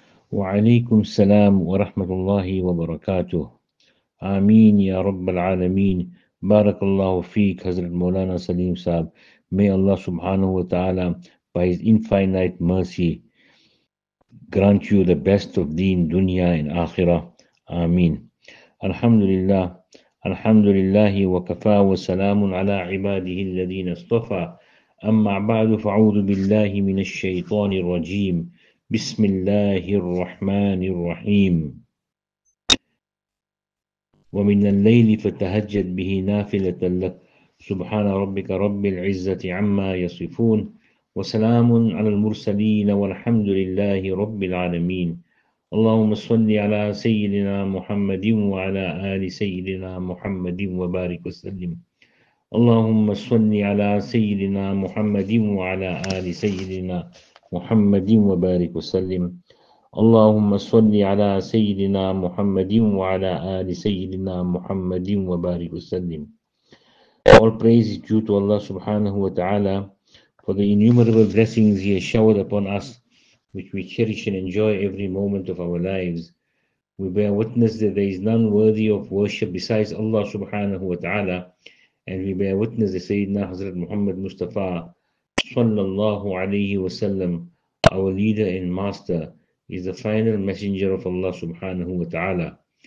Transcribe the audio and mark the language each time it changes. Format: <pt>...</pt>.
<ar>وعليكم السلام ورحمة الله وبركاته. آمين يا رب العالمين. بارك الله فيك حضرت مولانا سليم صاحب.</ar> <en>May Allah subhanahu wa ta'ala by his infinite mercy grant you the best of deen dunya and akhirah.</en> <ar>Ameen. Alhamdulillah. Alhamdulillah wa kafa wa salamun ala ibadihi alladhina astafa. Amma ba'du fa'udhu billahi min ash-shaytanir rajim. Bismillahir Rahmanir Rahim. Wa min al-layli fatahajjad bihi nafilatan lak. سبحان ربك رب العزة عما يصفون وسلام على المرسلين والحمد لله رب العالمين اللهم صل على سيدنا محمد وعلى آل سيدنا محمد وبارك وسلم اللهم صل على سيدنا محمد وعلى آل سيدنا محمد وبارك وسلم اللهم صل على سيدنا محمد وعلى آل سيدنا محمد وبارك وسلم.</ar> <en>All praise is due to Allah subhanahu wa ta'ala for the innumerable blessings He has showered upon us, which we cherish and enjoy every moment of our lives. We bear witness that there is none worthy of worship besides Allah subhanahu wa ta'ala, and we bear witness that Sayyidina Hazrat Muhammad Mustafa sallallahu alayhi wa sallam, our leader and master, is the final messenger of Allah subhanahu wa ta'ala.</en>